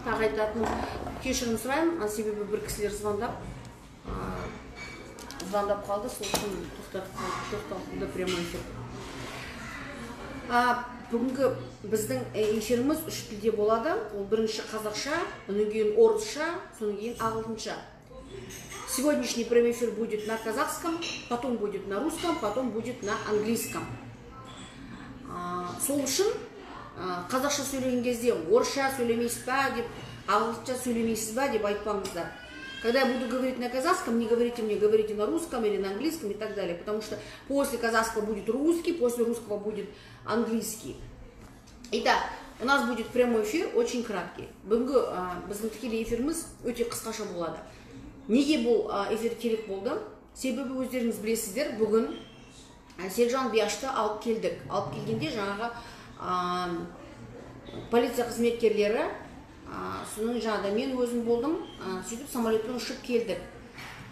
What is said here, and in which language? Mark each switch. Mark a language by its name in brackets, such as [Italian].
[Kazakh] Тағы айтатын кешірім сұраймын. Себебі бір кісілер звондап қалды, сол үшін тоқтатылды [Russian] прямой эфир. [Kazakh] Бүгінгі біздің эфиріміз үш тілде болады. Ол бірінші қазақша, одан кейін орысша, содан кейін ағылшынша. [Russian] Сегодняшний прямой эфир будет на казахском, потом будет на русском, потом будет на английском. [Kazakh] Сол үшін қазақша сөйлеген кезде орысша сөйлемейсіз бе деп, ағылшынша сөйлемейсіз бе деп айтпаңыздар. [Russian] Когда я буду говорить на казахском, не говорите мне, говорите на русском или на английском и так далее. Потому что после казахского будет русский, после русского будет английский. Итак, у нас будет прямой эфир, очень краткий. [Kazakh] Бүгінгі біздің тікелей эфиріміз өте қысқаша болады. Неге бұл эфир керек болды? Себебі өздеріңіз білесіздер, бүгін Сержан Бияшты алып келдік. Алып келгенде жаңағы полиция қызметкерлері, соның жағында мен өзім болдым, сөйтіп самолетпен ұшып келдік.